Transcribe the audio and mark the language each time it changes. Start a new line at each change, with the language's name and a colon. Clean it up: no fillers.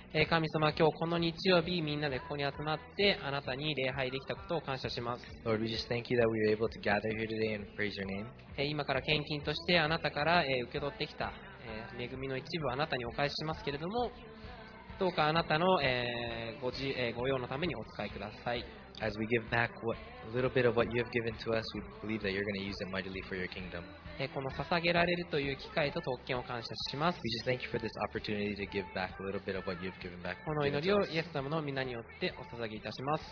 Japanese: 神様、今日この日曜日みんなでここに集まってあなたに礼拝できたことを感謝します。
English: Lord, we just thank you that we were able to gather here today and praise your name.
Japanese: 今から献金としてあなたから受け取ってきた恵みの一部をあなたにお返ししますけれども、どうかあなたのご用のためにお使いください。
English: As we give back a little bit of what you have given to us, we believe that you're going to use it mightily for your kingdom.
Japanese: この捧げられるという機会と特権を感謝します。
English: We just thank you for this opportunity to give back a little bit of what you've given back.
Japanese: この祈りをイエス様の御名によってお捧げいたします。